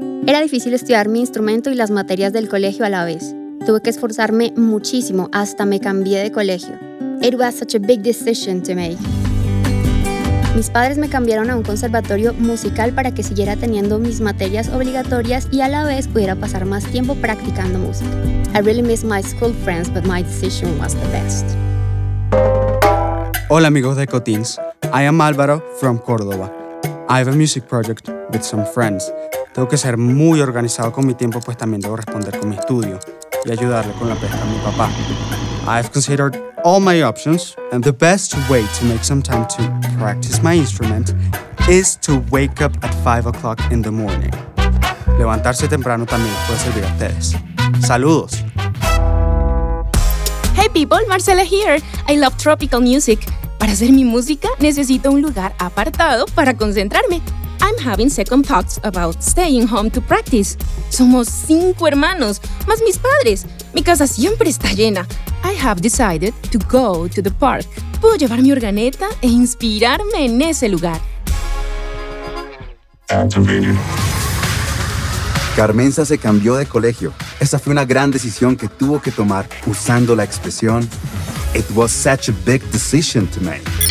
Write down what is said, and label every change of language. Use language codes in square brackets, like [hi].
[es] Era difícil estudiar mi instrumento y las materias del colegio a la vez. Tuve que esforzarme muchísimo, hasta me cambié de colegio. [en] It was such a big decision to make. [es] Mis padres me cambiaron a un conservatorio musical para que siguiera teniendo mis materias obligatorias y a la vez pudiera pasar más tiempo practicando música. [en] I really miss my school friends, but my decision was the best. [es] Hola amigos de Cotins, [en] I am Álvaro from Córdoba. I have a music project with some friends. [es] Tengo que ser muy organizado con mi tiempo, pues también debo responder con mi estudio y ayudarle con la pesca a mi papá. [en] I've considered all my options, and the best way to make some time to practice my instrument is to wake up at 5 o'clock in the morning. [es] Levantarse temprano también puede servir a ustedes. Saludos. [en] Hey people, Marcela here. I love tropical music. [es] Para hacer mi música, necesito un lugar apartado para concentrarme. [en] I'm having second thoughts about staying home to practice. [es] Somos 5 hermanos, más mis padres. Mi casa siempre está llena. [en] I have decided to go to the park. [es] Puedo llevar mi organeta e inspirarme en ese lugar. Carmenza se cambió de colegio. Esa fue una gran decisión que tuvo que tomar usando la expresión [en] It was such a big decision to make.